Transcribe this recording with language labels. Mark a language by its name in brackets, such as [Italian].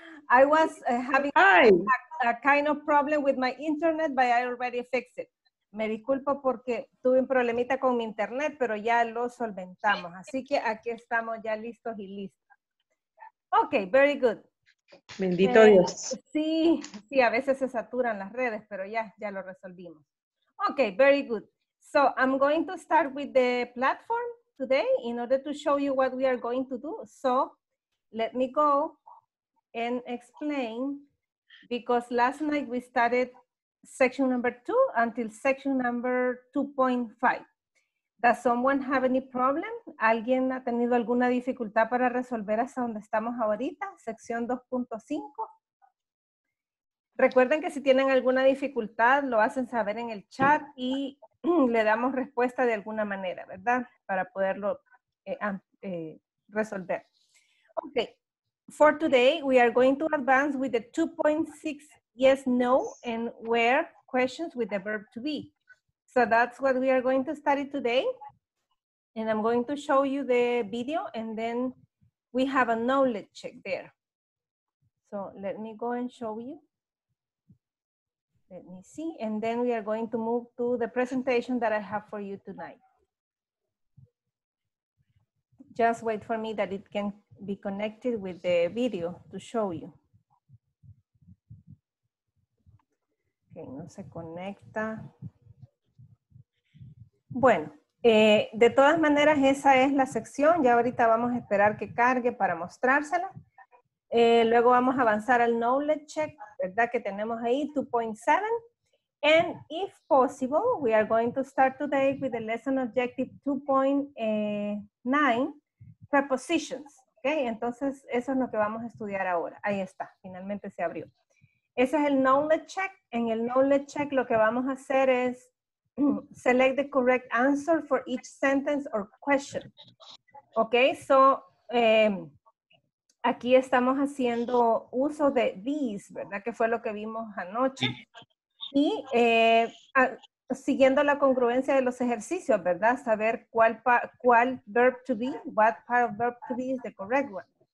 [English] I was having a kind of problem with my internet, but I already fixed it. [Spanish] Me disculpo porque tuve un problemita con mi internet, pero ya lo solventamos. Así que aquí estamos ya listos y listas. [English] Okay, very good. [Spanish] Bendito Dios. Sí, sí, a veces se saturan las redes, pero ya, ya lo resolvimos. [English] Okay, very good. So I'm going to start with the platform today in order to show you what we are going to do. So let me go and explain, because last night we started section number 2 until section number 2.5. Does someone have any problem? [Spanish] ¿Alguien ha tenido alguna dificultad para resolver hasta donde estamos ahorita? Sección 2.5. Recuerden que si tienen alguna dificultad, lo hacen saber en el chat y le damos respuesta de alguna manera, ¿verdad? Para poderlo resolver. Okay. [English] For today, we are going to advance with the 2.6 yes, no, and where questions with the verb to be. So that's what we are going to study today. And I'm going to show you the video, and then we have a knowledge check there. So let me go and show you. Let me see. And then we are going to move to the presentation that I have for you tonight. Just wait for me that it can be connected with the video to show you. [Spanish] Okay, no se conecta. Bueno, de todas maneras, esa es la sección. Ya ahorita vamos a esperar que cargue para mostrársela. Luego vamos a avanzar al knowledge check, ¿verdad? Que tenemos ahí, 2.7. [English] And if possible, we are going to start today with the lesson objective 2.9, prepositions. [Spanish] Okay, entonces eso es lo que vamos a estudiar ahora. Ahí está, finalmente se abrió. Ese es el knowledge check. En el knowledge check lo que vamos a hacer es [English] select the correct answer for each sentence or question. [Spanish] Okay, so aquí estamos haciendo uso de these, ¿verdad? Que fue lo que vimos anoche. Y siguiendo la congruencia de los ejercicios, ¿verdad? Saber cuál [English] verb to be, what part of verb to be is the correct one.